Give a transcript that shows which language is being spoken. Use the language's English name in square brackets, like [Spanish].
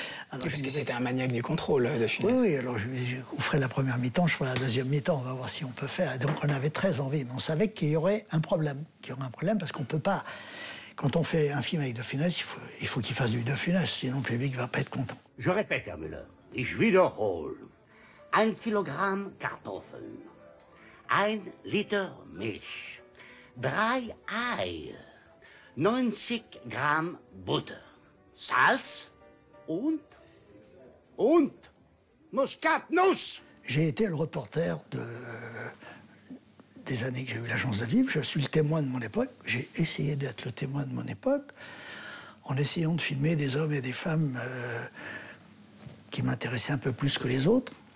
[French] Alors, parce que c'était un maniaque du contrôle, De Funès. Oui, alors je vous ferai la première mi-temps, je ferai la deuxième mi-temps, on va voir si on peut faire. Donc on avait très envie, mais on savait qu'il y aurait un problème. Qu'il y aurait un problème parce qu'on ne peut pas... Quand on fait un film avec De Funès, il faut qu'il fasse du De Funès, sinon le public ne va pas être content. Je répète, [German] Herr Müller, ich wiederhole. Ein Kilogramm Kartoffeln, ein Liter Milch, drei Eier, 90 Gramm Butter, Salz... Und Muskatnuss. [French] J'ai été le reporter des années que j'ai eu la chance de vivre. Je suis le témoin de mon époque. J'ai essayé d'être le témoin de mon époque en essayant de filmer des hommes et des femmes qui m'intéressaient un peu plus que les autres.